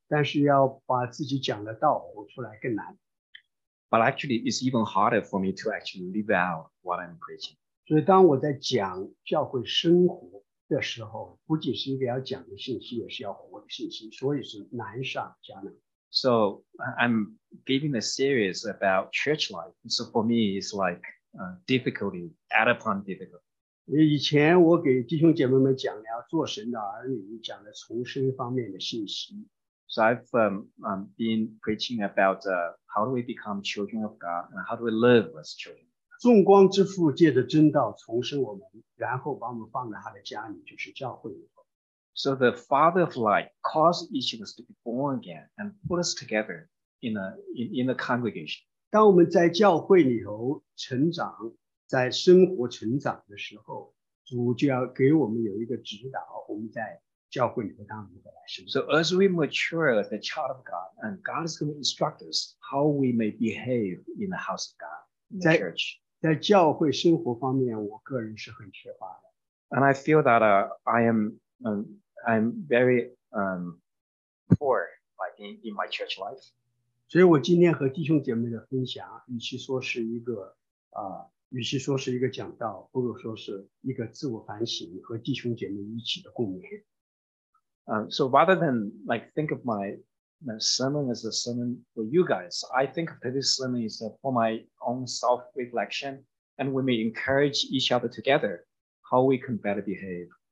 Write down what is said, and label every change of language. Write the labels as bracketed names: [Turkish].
[Chinese] 但是要把自己讲的道活出来更难。 [English] But actually, it's even harder for me to actually live out what I'm preaching. [Chinese] 所以当我在讲教会生活的时候，不仅是一个要讲的信息，也是要活的信息，所以是难上加难。 [English] So I'm giving a series about church life. So for me, it's like difficulty, add upon difficulty. [Chinese] 以前我给弟兄姐妹们讲了做神的儿女，讲了重生方面的信息。 [English] So I've been preaching about how do we become children of God and how do we live as children. [Chinese] 众光之父借着真道重生我们，然后把我们放在他的家里，就是教会里。 [English] So the Father of Light caused each of us to be born again and put us together in a congregation. [Chinese] 当我们在教会里头成长，在生活成长的时候，主就要给我们有一个指导，我们在教会里头当如何来生。 [English] So as we mature as a child of God, and God is going to instruct us how we may behave in the house of God, in the church. [Chinese] 在教会生活方面，我个人是很缺乏的。 [English] And I feel that I'm very poor, like in my church life. [Chinese] 所以我今天和弟兄姐妹的分享，与其说是一个与其说是一个讲道，不如说是一个自我反省和弟兄姐妹一起的共勉。 [English] So rather than like think of my sermon as a sermon for you guys, I think of this sermon as for my own self-reflection, and we may encourage each other together how we can better behave.